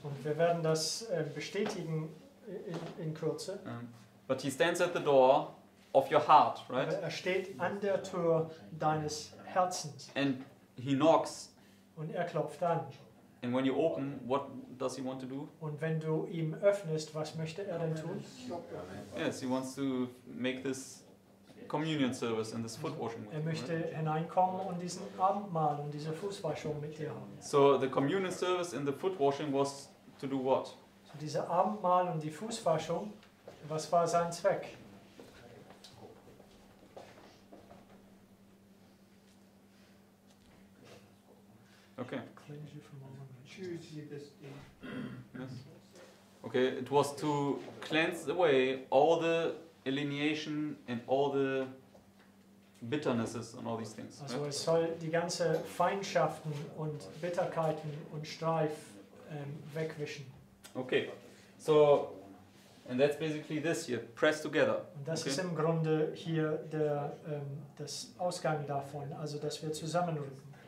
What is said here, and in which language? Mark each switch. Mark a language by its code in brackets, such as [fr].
[de] Und wir werden das bestätigen in Kürze. [en] But he stands at the door of your heart, right? [de] Er steht an der Tür deines Herzens. [en] And he knocks. [de] Und er klopft an. [en] And when you open, what does he want to do? [de] Und wenn du ihm öffnest, was möchte er denn tun? [en] Yes, he wants to make this communion service and this foot washing. [de] Er möchte hineinkommen und diesen Abendmahl und diese Fußwaschung mit dir haben. [en] So the communion service and the foot washing was to do what? [de] So dieser Abendmahl und die Fußwaschung, was war sein Zweck? [en] Okay. Yes. Okay, it was to cleanse away all the alienation and all the bitternesses and all these things. [de] Also es soll die ganze Feindschaften und Bitterkeiten und Streif wegwischen. [en] Okay, so and that's basically this here, press together. [de] Und das ist im Grunde hier der das Ausgang davon, also dass wir zusammenrücken.